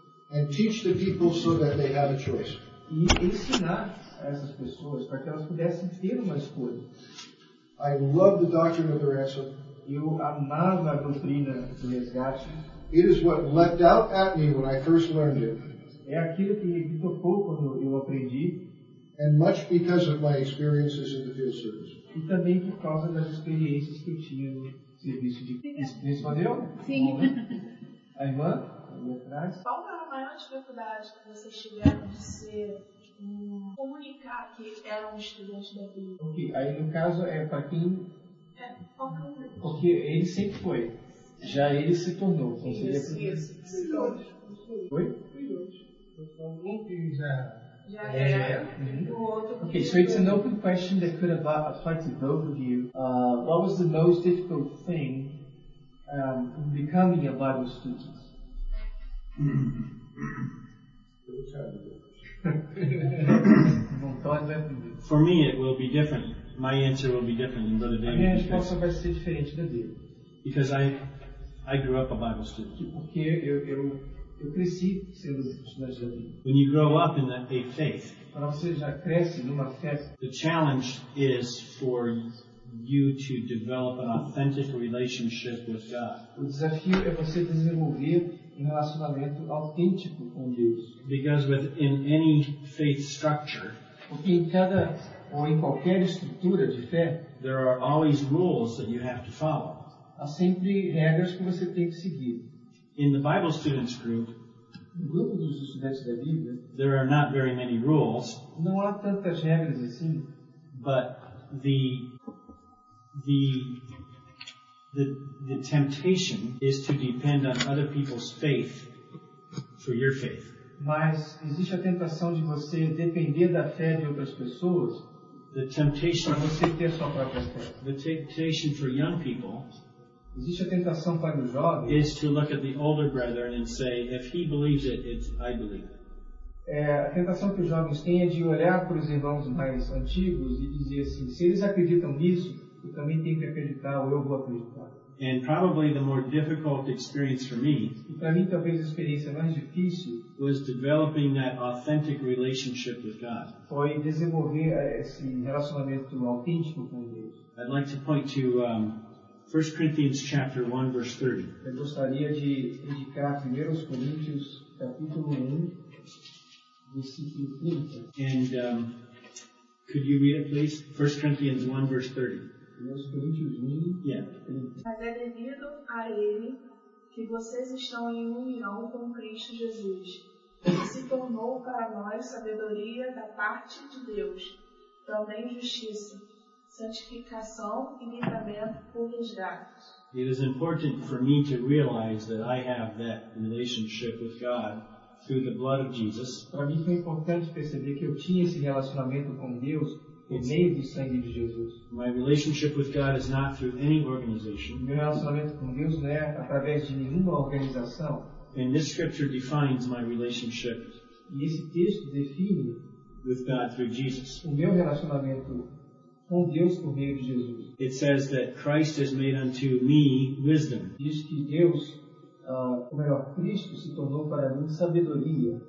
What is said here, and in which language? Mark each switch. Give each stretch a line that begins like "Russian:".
English: And teach the people so that they have a choice.
Portuguese: E ensinar essas pessoas para que elas pudessem ter uma escolha.
English: I love the doctrine of the ransom.
Portuguese: Eu amava a doutrina do resgate.
English: It is what leapt out at me when I first learned it.
Portuguese: É aquilo que me tocou quando eu aprendi.
English: And much because of my experiences in the field service.
Portuguese: E também por causa das experiências que eu tinha no serviço de... Respondeu? Sim. A irmã? Ali atrás? A maior dificuldade que vocês tiveram de ser comunicar que era um estudante da Bíblia. Ok, aí no caso é para quem? É, qual foi o problema? Porque ele sempre foi. Já ele se tornou. Isso, isso. Filhote. Foi? Filhote. Um que já era. Já era.
English: Ok, so it's an open question that could apply to both of you. What was the most difficult thing in becoming a Bible student? Mm-hmm. For me, it will be different. My answer will be different than Brother David.
Portuguese: A minha resposta vai ser diferente da dele.
English: Because I grew up a Bible student.
Portuguese: Porque eu cresci sendo estudante da Bíblia.
English: When you grow up in a faith,
Portuguese: quando você já cresce numa fé,
English: the challenge is for you to develop an authentic relationship with God.
Portuguese: O desafio é você desenvolver um relacionamento autêntico com Deus.
English: Because within any faith structure,
Portuguese: porque em cada ou em qualquer estrutura de fé,
English: there are always rules that you have to follow.
Portuguese: Há sempre regras que você tem que seguir.
English: In the Bible students group,
Portuguese: no grupo dos estudantes da Bíblia,
English: there are not very many rules.
Portuguese: Não há tantas regras assim.
English: But the temptation is to depend on other people's faith for your faith.
Portuguese: Mas existe a tentação de você depender da fé de outras pessoas.
English: The temptation
Portuguese: para você ter sua própria fé.
English: The temptation for young people.
Portuguese: Existe a tentação para os jovens.
English: Is to look at the older brethren and say, if he believes it, it's I believe.
Portuguese: É, a tentação que os jovens têm é de olhar para os irmãos mais antigos e dizer assim, se eles acreditam nisso, eu também tenho que acreditar ou eu vou acreditar.
English: And probably the more difficult experience for me.
Portuguese: E para mim talvez a experiência mais difícil
English: was developing that authentic relationship with God.
Portuguese: Foi desenvolver esse relacionamento autêntico com Deus.
English: I'd like to point to 1 Corinthians chapter 1 verse 30.
Portuguese: Eu gostaria de indicar 1 Coríntios capítulo 1 versículo 30.
English: And could you read it please? 1 Corinthians 1 verse 30.
Portuguese: 1 Coríntios 1 30. Mas é devido a ele que vocês estão em união com Cristo Jesus. Ele se tornou para nós sabedoria da parte de Deus, também justiça,
English: it is important for me to realize that I have that relationship with God through the blood of Jesus.
Portuguese: Para mim foi importante perceber que eu tinha esse relacionamento com Deus por meio do sangue de Jesus.
English: My relationship with God is not through any organization.
Portuguese: Meu relacionamento com Deus não é através de nenhuma organização.
English: And this scripture defines my relationship.
Portuguese: E esse texto define
English: with God through Jesus.
Portuguese: O meu relacionamento com Deus por meio de Jesus.
English: It says that Christ has made unto me wisdom.
Portuguese: Diz que Deus, ou melhor, Cristo se tornou para mim sabedoria,